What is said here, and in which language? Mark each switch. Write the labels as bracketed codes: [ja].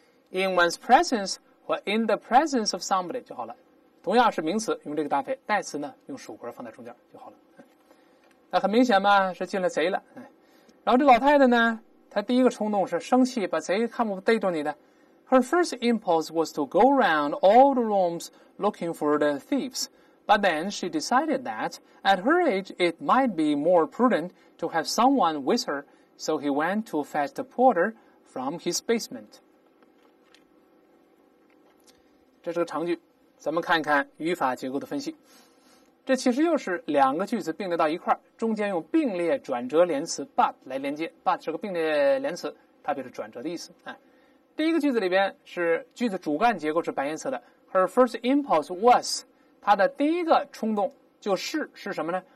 [en] in one's presence [zh] 或 [en] in the presence of somebody [zh] 就好了，同样是名词用这个搭配，代词呢用属格放在中间就好了。那很明显嘛，是进了贼了。然后这老太太呢，他第一个冲动是生气，把贼看不逮住你的。 [en] Her first impulse was to go around all the rooms looking for the thieves. But then she decided that at her age it might be more prudent to have someone with her. So he went to fetch the porter from his basement. [zh] 这是个长句，咱们看一看语法结构的分析。这其实又是两个句子并列到一块，中间用并列转折连词 but 来连接。 but 是个并列连词，它表示转折的意思。第一个句子里边是句子主干结构是白颜色的， [en] her first impulse was， [zh] 她的第一个冲动就是什么呢？